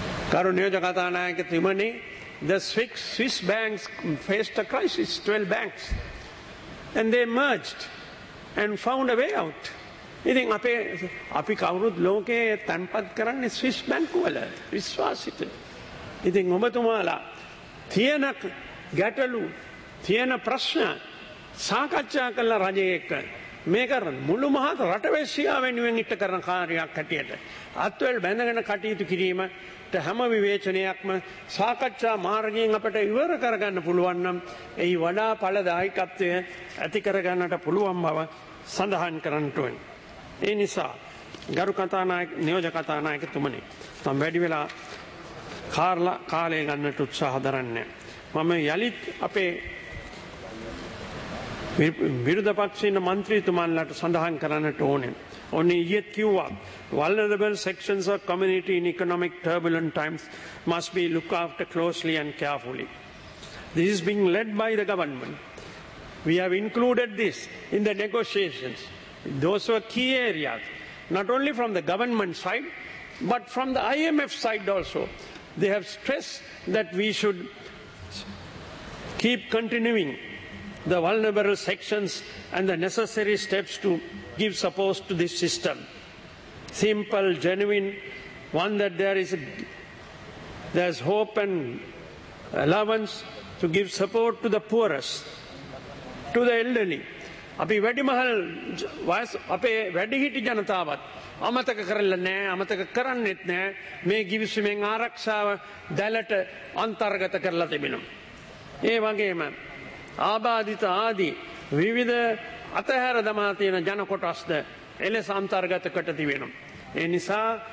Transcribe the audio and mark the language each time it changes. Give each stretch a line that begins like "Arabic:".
Sinhala: කරු නියෝජ කතානායක තුමනි,
English: the Swiss banks faced a crisis, 12 banks and they merged and found a way out.
Sinhala: ඉතින් අපි කවුරුත් ලෝකයේ තැන්පත් කරන්නේ Swiss bank වල විශ්වාසිත. ඉතින් ඔබතුමාලා තියෙන ගැටලු තියෙන ප්‍රශ්න සාකච්ඡා කළ රජයේ එක මේක මුළු මහත් රටවැසියා වෙනුවෙන් ඉට කරන කාර්යයක් හැටියට අත්වල් බැඳගෙන කටයුතු කිරීමට හැම විවේචනයක්ම සාකච්ඡා මාර්ගයෙන් අපට ඉවර කරගන්න පුළුවන් නම් එයි වඩා ඵලදායකත්වය ඇති කරගන්නට පුළුවන් බව සඳහන් කරන්නට වෙන. ඒ නිසා ගරු කතානායක නියෝජ කතානායකතුමනි, තම වැඩි වෙලා කාලය ගන්නට උත්සාහ දරන්නේ. මම යළිත් අපේ විරුද්ධ පක්ෂයේ මන්ත්‍රීතුමන්ලට සඳහන් කරන්නට ඕනේ. ඔන්නේ ඊයේත් කිව්වා
English: vulnerable sections of community in economic turbulent times must be looked after closely and carefully. This is being led by the government. We have included this in the negotiations. Those were key areas, not only from the government side, but from the IMF side also. They have stressed that we should keep continuing the vulnerable sections and the necessary steps to give support to this system. Simple, genuine, one that there's hope and allowance to give support to the poorest, to the elderly.
Sinhala: අපි වැඩිමහල් වයස අපේ වැඩිහිටි ජනතාවත් අමතක කරලා නැහැ, අමතක කරන්නෙත් නැහැ. මේ ගිවිසුමෙන් ආරක්ෂාව දැලට අන්තර්ගත කරලා තිබෙනවා. ඒ වගේම ආබාධිත ආදී විවිධ අතහැර දමා තියෙන ජන කොටස්ද එලෙස අන්තර්ගත කොට තිබෙනවා. ඒ නිසා